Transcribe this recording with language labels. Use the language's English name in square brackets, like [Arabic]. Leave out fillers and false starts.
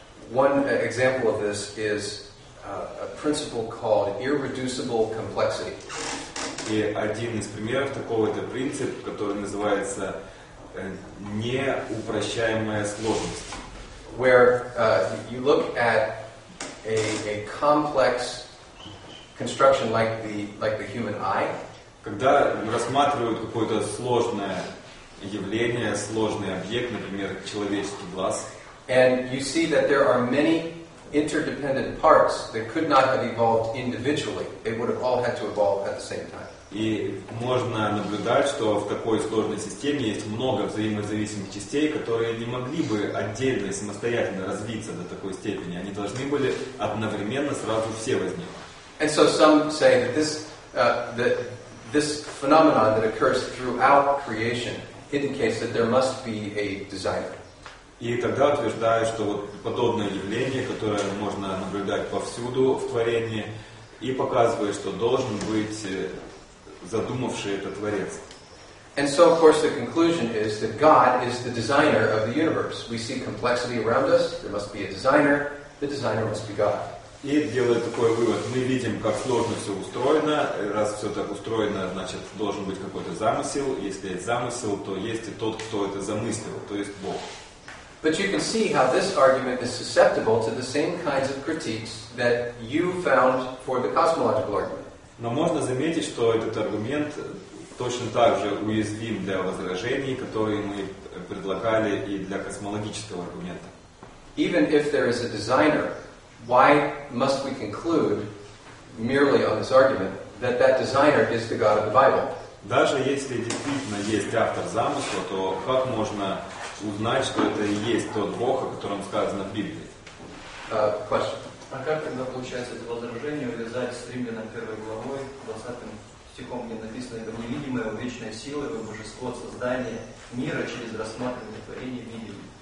[English] One example of this is a principle called irreducible complexity. [Russian] И один из примеров такого это принцип, который называется неупрощаемая сложность. [English] Where you look at a complex construction like the human eye. [Russian] Когда рассматривают какое-то сложное явление, сложный объект, например, человеческий глаз. [English] And you see that there are many interdependent parts that could not have evolved individually. They would have all had to evolve at the same time. [Russian] И можно наблюдать, что в такой сложной системе есть много взаимозависимых частей, которые не могли бы отдельно и самостоятельно развиться до такой степени. Они должны были одновременно сразу все возникнуть. [English] And so some say that this phenomenon that occurs throughout creation indicates that there must be a designer. [Russian] И тогда утверждают, что вот подобное явление, которое можно наблюдать повсюду в творении, и показывает, что должен быть задумавший это творец. [English] And so, of course, the conclusion is that God is the designer of the universe. We see complexity around us. There must be a designer. The designer must be God. [Russian] И делает такой вывод: мы видим, как сложно все устроено. Раз все так устроено, значит, должен быть какой-то замысел. Если есть замысел, то есть и тот, кто это замыслил, то есть Бог. [English] But you can see how this argument is susceptible to the same kinds of critiques that you found for the cosmological argument. [Russian] Но можно заметить, что этот аргумент точно так же уязвим для возражений, которые мы предлагали и для космологического аргумента. [English] Even if there is a designer, why must we conclude merely on this argument that that designer is the God of the Bible? [Russian] Даже если действительно есть автор замысла, то как можно узнать, что это и есть тот Бог, о котором сказано в Библии. А как тогда получается это возражение увязать с Римлянам 1 главой, 20 стихом, где написано: «Это невидимое, вечное силы, вы божество от создания мира через рассматривание творения видим».